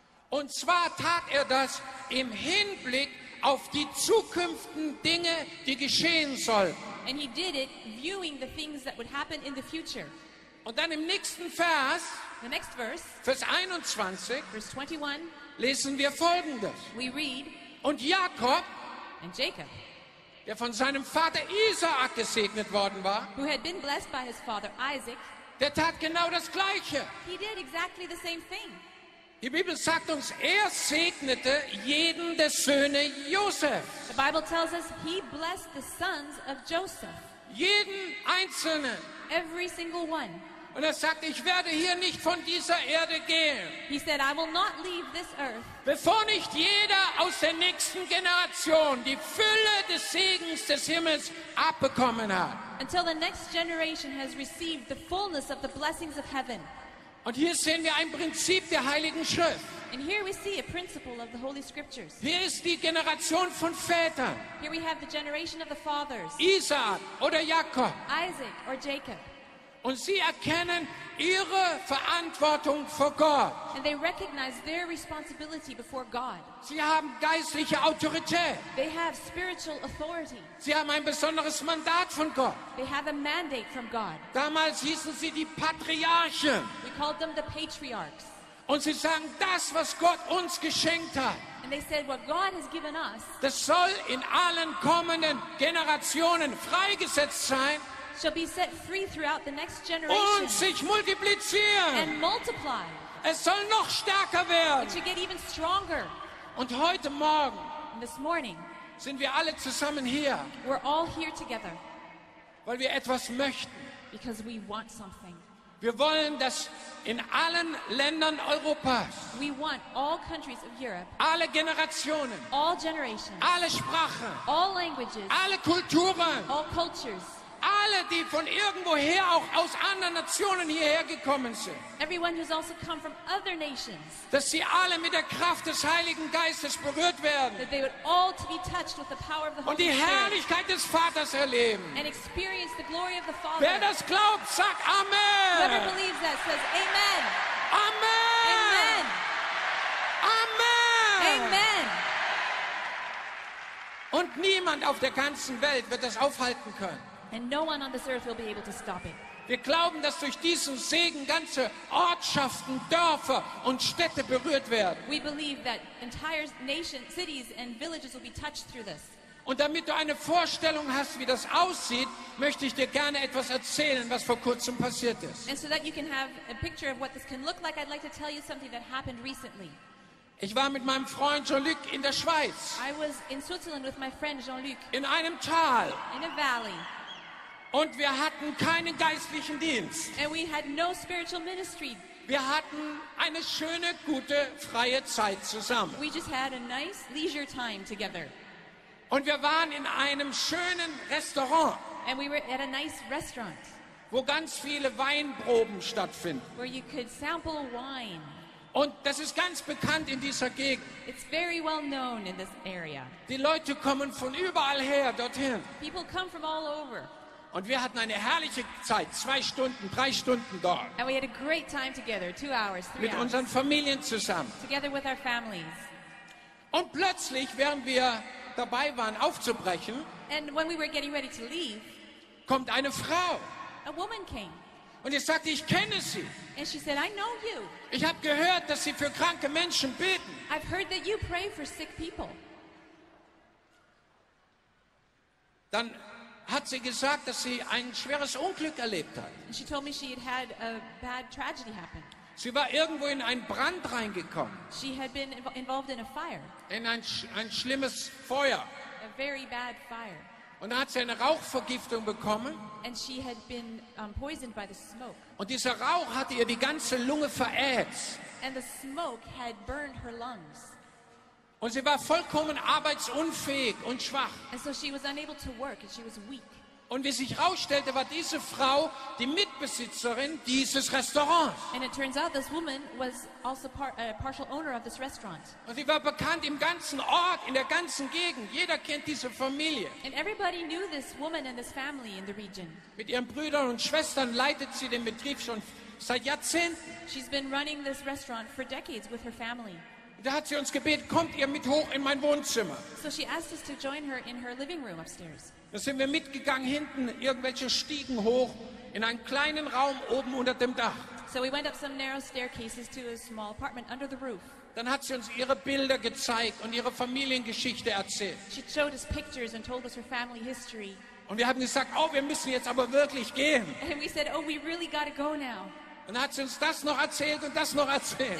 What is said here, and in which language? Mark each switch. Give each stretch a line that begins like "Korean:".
German: Und zwar tat er das im Hinblick auf die zukünftigen Dinge, die geschehen sollen.
English: And he did it viewing the things that would happen in the future.
German: Und dann im nächsten Vers,
English: the next verse,
German: Vers 21,
English: verse 21,
German: lesen wir Folgendes.
English: We read,
German: und Jakob,
English: and Jacob,
German: der von seinem Vater Isaak gesegnet worden war,
English: who had been blessed by his father Isaac,
German: der tat genau das Gleiche.
English: He did exactly the same thing.
German: Die Bibel sagt uns, er segnete jeden der Söhne Josefs.
English: The Bible tells us he blessed the sons of Joseph.
German: Jeden einzelnen.
English: Every single one.
German: Und er sagt, ich werde hier nicht von dieser Erde gehen.
English: He said, I will not leave this earth.
German: Bevor nicht jeder aus der nächsten Generation die Fülle des Segens des Himmels abbekommen hat.
English: Until the next generation has received the fullness of the blessings of heaven.
German: Und hier sehen wir ein Prinzip der Heiligen Schrift.
English: And here we see a principle of the Holy Scriptures.
German: Hier ist die Generation von Vätern.
English: Here we have the generation of the fathers.
German: Isaak oder Jakob.
English: Isaac or Jacob.
German: Und sie erkennen ihre Verantwortung vor Gott.
English: And they recognize their responsibility before God.
German: Sie haben geistliche Autorität.
English: They have spiritual authority.
German: Sie haben ein besonderes Mandat von Gott.
English: They have a mandate from God.
German: Damals hießen sie die Patriarchen.
English: We called them the patriarchs.
German: Und sie sagen, das, was Gott uns geschenkt hat,
English: and they said, what God has given us,
German: das soll in allen kommenden Generationen freigesetzt sein,
English: shall be set free throughout the next generation
German: und sich multiplizieren.
English: And multiply.
German: Es soll noch stärker werden.
English: It should get even stronger.
German: Und heute Morgen,
English: and this morning,
German: sind wir alle zusammen hier,
English: we're all here together,
German: weil wir etwas möchten,
English: Because we want something.
German: Wir wollen, dass in allen Ländern Europas,
English: we want all countries of Europe,
German: alle Generationen,
English: all generations,
German: alle Sprachen,
English: all languages,
German: alle Kulturen,
English: all cultures,
German: alle, die von irgendwoher auch aus anderen Nationen hierher gekommen sind,
English: everyone who's also come from other nations,
German: dass sie alle mit der Kraft des Heiligen Geistes berührt werden,
English: that they would all to be touched with the power of the Holy Spirit,
German: und die Herrlichkeit des Vaters erleben,
English: and experience the glory of the Father.
German: Wer das glaubt, sagt Amen.
English: Whoever believes that says Amen.
German: Amen.
English: Amen.
German: Amen.
English: Amen.
German: Und niemand auf der ganzen Welt wird das aufhalten können.
English: And no one on this earth will be able to stop it.
German: Wir glauben, dass durch diesen Segen ganze Ortschaften, Dörfer und Städte berührt werden.
English: We believe that entire nations, cities and villages will be touched through this.
German: Und damit du eine Vorstellung hast, wie das aussieht, möchte ich dir gerne etwas erzählen, was vor kurzem passiert ist.
English: And so that you can have a picture of what this can look like, I'd like to tell you something that happened recently.
German: Ich war mit meinem Freund Jean-Luc in der Schweiz.
English: I was in Switzerland with my friend Jean-Luc.
German: In einem Tal.
English: In a valley.
German: Und wir hatten keinen geistlichen Dienst.
English: And we had no spiritual ministry.
German: Wir hatten eine schöne, gute, freie Zeit zusammen.
English: We just had a nice leisure time together.
German: Und wir waren in einem schönen Restaurant.
English: And we were at a nice restaurant.
German: Wo ganz viele Weinproben stattfinden.
English: Where you could sample wine.
German: Und das ist ganz bekannt in dieser Gegend.
English: It's very well known in this area.
German: Die Leute kommen von überall her dorthin.
English: People come from all over.
German: Und wir hatten eine herrliche Zeit, 2 Stunden, 3 Stunden dort.
English: And we had a great time together, 2 hours, 3 hours.
German: Mit unseren Familien zusammen.
English: Together with our families.
German: Und plötzlich, während wir dabei waren, aufzubrechen,
English: and when we were getting ready to leave,
German: kommt eine Frau.
English: A woman came.
German: Und sie sagte, ich kenne sie.
English: And she said, I know you.
German: Ich habe gehört, dass sie für kranke Menschen beten.
English: I've heard that you pray for sick people.
German: Dann hat sie gesagt, dass sie ein schweres Unglück erlebt hat.
English: She told me she had had a bad tragedy happen.
German: Sie war irgendwo in einen Brand reingekommen.
English: She had been involved in a fire.
German: In ein schlimmes Feuer.
English: A very bad fire.
German: Und dann hat sie eine Rauchvergiftung bekommen.
English: And she had been poisoned by the smoke.
German: Und dieser Rauch hatte ihr die ganze Lunge verätzt.
English: And the smoke had burned her lungs.
German: Und sie war vollkommen arbeitsunfähig und schwach.
English: And so she was unable to work and she was weak.
German: Und wie sich herausstellte, war diese Frau die Mitbesitzerin dieses Restaurants.
English: And it turns out this woman was also a partial owner of this restaurant.
German: Und sie war bekannt im ganzen Ort, in der ganzen Gegend. Jeder kennt diese Familie.
English: And everybody knew this woman and this family in the region.
German: Mit ihren Brüdern und Schwestern leitet sie den Betrieb schon seit Jahrzehnten.
English: She's been running this restaurant for decades with her family.
German: Da hat sie uns gebeten, kommt ihr mit hoch in mein Wohnzimmer.
English: So she asked us to join her in her living room upstairs.
German: Da sind wir mitgegangen, hinten irgendwelche Stiegen hoch, in einen kleinen Raum oben unter dem Dach.
English: So we went up some narrow staircases to a small apartment under the roof.
German: Dann hat sie uns ihre Bilder gezeigt und ihre Familiengeschichte erzählt.
English: She showed us pictures and told us her family history.
German: Und wir haben gesagt, oh, wir müssen jetzt aber wirklich gehen.
English: And we said, oh, we really gotta go now.
German: Und dann hat sie uns das noch erzählt und das noch erzählt.